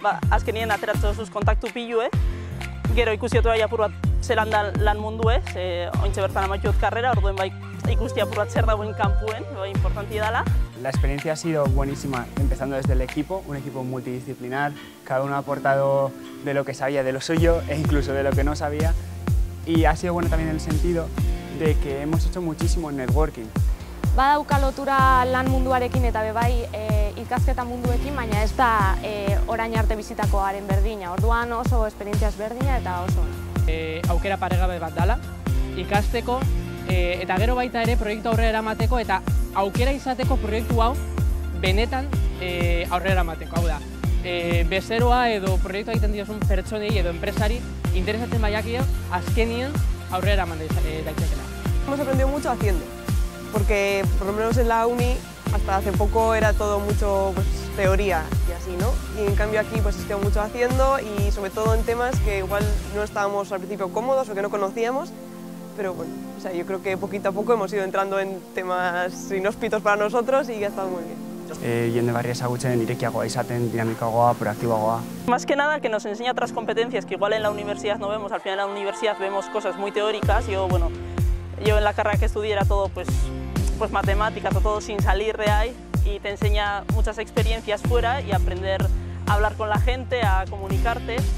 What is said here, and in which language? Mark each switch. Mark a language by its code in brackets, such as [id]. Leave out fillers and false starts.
[eu] Azkenien ateratzen duzuz kontaktu pilue, gero ikusi dut apur bat zelan da lan mundu, ointxe bertan amaitu dut karrera, orduen bai ikusti apur bat zer dagoen kampuen, bai importanti dala. [es] La experiencia ha sido buenísima, empezando desde el equipo, un equipo multidisciplinar, cada uno ha aportado de lo que sabía de lo suyo e incluso de lo que no sabía, y ha sido bueno también en el sentido de que hemos hecho muchísimo networking. [eu] Badauka lotura lan munduarekin eta bebai ikasketa munduekin, baina ez da orain arte bizitakoaren berdina. Orduan oso esperientzia ezberdina eta oso. Aukera paregabe bat dala, ikasteko eta gero baita ere proiektu aurrera eramateko eta aukera izateko proiektu hau benetan aurrera eramateko. Hau da, bezeroa edo proiektu egiten diozun pertsonei edo enpresari interesatzen baiakio azkenien aurrera eraman daitekela. [es] Hemos aprendido mucho haciendo. Porque por lo menos en la uni hasta hace poco era todo mucho pues, teoría y así, ¿no? Y en cambio aquí pues estoy mucho haciendo y sobre todo en temas que igual no estábamos al principio cómodos o que no conocíamos, pero bueno, o sea, yo creo que poquito a poco hemos ido entrando en temas inhóspitos para nosotros y ha estado muy bien. [eu] Jende barria ezagutzen irekiagoa izaten, dinamikoagoa, proaktiboagoa. [es] Más que nada que nos enseña otras competencias que igual en la universidad no vemos, al final en la universidad vemos cosas muy teóricas y bueno, yo en la carrera que estudié era todo pues matemáticas, todo sin salir de ahí y te enseña muchas experiencias fuera y aprender a hablar con la gente, a comunicarte.